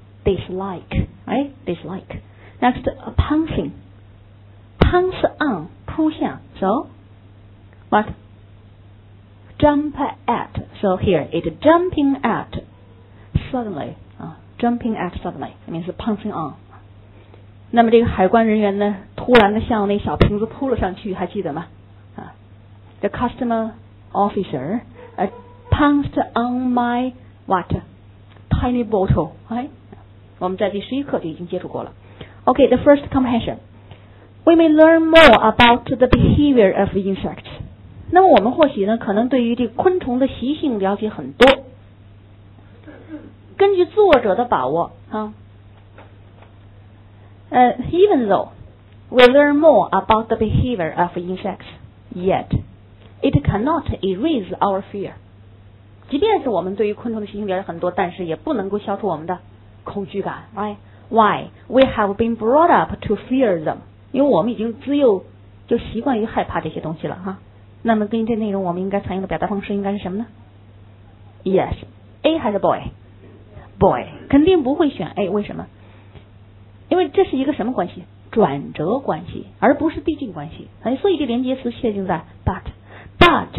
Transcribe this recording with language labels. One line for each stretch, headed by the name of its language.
English: Dislike, right? Dislike. Next, pouncing. Pounce on, 扑向 So, what? Jump at. So here, it's jumping at suddenly.、jumping at suddenly. It means pouncing on.
Chinese: 那么这个海关人员呢突然的向那小瓶子扑了上去还记得吗、
English: The customer officer、pounced on my, what? Tiny bottle, right?
Chinese: 我们在第十一课就已经接触过了。
English: Okay, the first comprehensionWe may learn more about the behavior of insects.
Chinese: 那么我们或许呢可能对于这个昆虫的习性了解很多。根据作者的把握、
English: Even though we learn more about the behavior of insects, yet it cannot erase our fear.
Chinese: 即便是我们对于昆虫的习性了解很多但是也不能够消除我们的恐惧感 right?
English: Why? We have been brought up to fear them.
Chinese: 因为我们已经自幼就习惯于害怕这些东西了哈。那么根据这内容我们应该采用的表达方式应该是什么呢
English: Yes A 还是 Boy
Chinese: Boy 肯定不会选 A 为什么因为这是一个什么关系转折关系而不是递进关系所以这连接词确定在 But